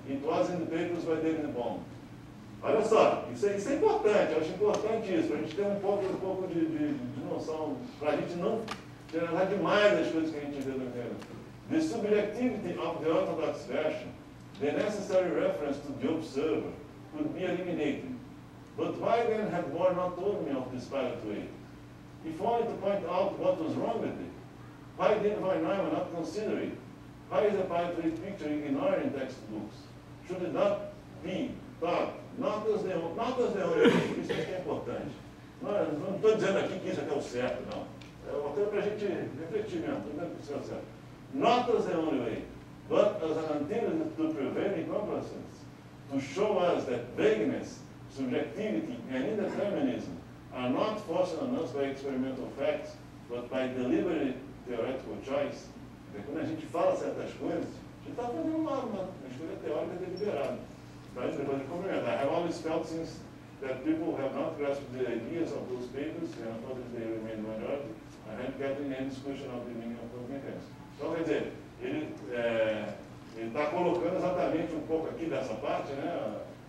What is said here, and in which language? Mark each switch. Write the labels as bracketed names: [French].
[English] It was in the papers by David Bohm. [Portuguese] Olha só, isso é importante, eu acho importante isso, para a gente ter um pouco de noção, para a gente não generalizar demais as coisas que a gente vê no livro. [English] The subjectivity of the orthodox version, the necessary reference to the observer, could be eliminated. But why then had Bohr not told me of this pilot way? If only to point out what was wrong with it. Why did von Neumann not consider it? Why is a pilot way picture ignored in textbooks? Should it not be taught, not as the only way? [Portuguese] Isso é importante. Não estou dizendo aqui que isso é o certo, não. É uma coisa para a gente refletir mesmo, estou dizendo que isso é o certo. [English] Not as the only way, but as an antidote to prevailing complacence, to show us that vagueness, subjectivity and indeterminism are not forced on us by experimental facts, but by deliberate theoretical choice. [Portuguese] Então, quando a gente fala certas coisas, a gente está fazendo uma escolha teórica deliberada. Mas depois de complementar. [English] I have always felt since that people have not grasped the ideas of those papers, and of course they remain the majority, I haven't gotten any discussion of the meaning of those mechanisms. [Portuguese] Então, quer dizer, ele está colocando exatamente um pouco aqui dessa parte, né?